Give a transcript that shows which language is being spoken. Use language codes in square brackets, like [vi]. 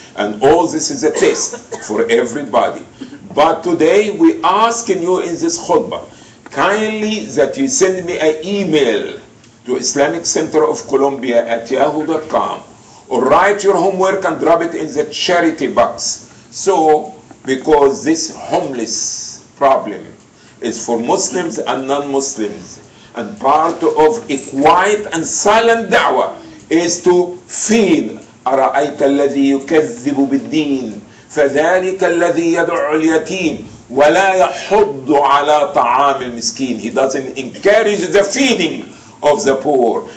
[en] And all this is a test for everybody. But today we asking you in this khutbah, kindly that you send me an email to IslamicCenterOfColombia@yahoo.com, or write your homework and drop it in the charity box. So, because this homeless problem is for Muslims and non-Muslims, and part of a quiet and silent da'wah is to feed. [ar] أرأيت الذي يكذب بالدين فذلك الذي يدعو اليتيم ولا يحض على طعام المسكين. [en] He doesn't encourage the feeding of the poor.